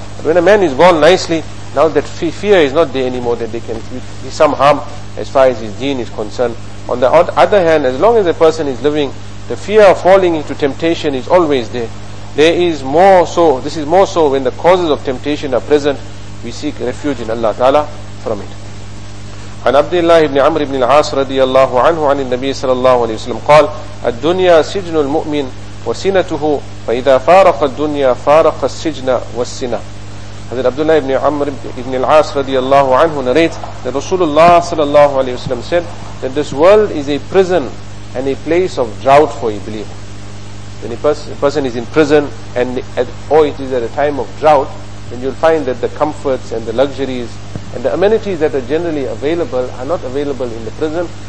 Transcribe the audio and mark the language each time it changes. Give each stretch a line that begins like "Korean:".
English: But when a man is gone nicely, now that fear is not there anymore, that there can be some harm as far as his deen is concerned. On the other hand, as long as a person is living, the fear of falling into temptation is always there. There is more so, this is more so when the causes of temptation are present, we seek refuge in Allah Ta'ala from it.
Arabic: عن عبد الله بن عمرو بن العاص رضي الله عنه عن النبي صلى الله عليه وسلم قال الدنيا سجن المؤمن وسنته فإذا فارق الدنيا فارق السجن والسنة. حضرت عبد الله بن عمرو بن العاص رضي الله عنه
English: narrates that Rasulullah
Arabic: صلى الله عليه وسلم
English: said that this world is a prison and a place of drought for a believer. When a person is in prison or it is at a time of drought, then you'll find that the comforts and the luxuries and the amenities that are generally available are not available in the prison.